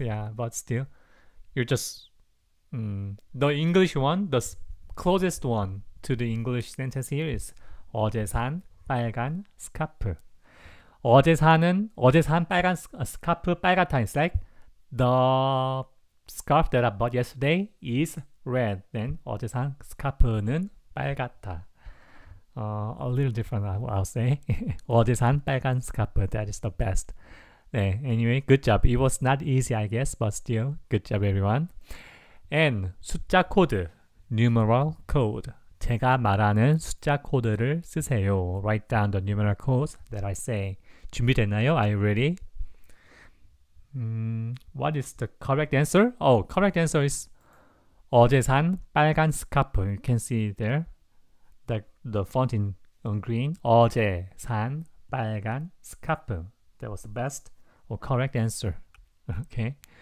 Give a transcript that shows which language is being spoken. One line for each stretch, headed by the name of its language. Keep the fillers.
English: Yeah, but still, you're just um, the English one, the closest one to the English sentence here is
Korean: 어제 산 빨간 스카프. 어제 산은 어제 산 빨간 스카프 빨갛다.
English: It's like the scarf that I bought yesterday is red. Then
Korean: 어제 산 스카프는 빨갛다.
English: Uh, a little different, I'll say.
Korean: 어제 산 빨간 스카프.
English: That is the best. 네, anyway, good job. It was not easy, I guess, but still, good job, everyone. And 숫자 코드, numeral code.
Korean: 제가 말하는 숫자 코드를 쓰세요.
English: Write down the numeral codes that I say.
Korean: 준비됐나요?
English: Are you ready? Um, what is the correct answer? Oh, correct answer is
Korean: 어제 산 빨간 스카프.
English: You can see there the, the font in, in green.
Korean: 어제 산 빨간 스카프.
English: That was the best or correct answer. Okay.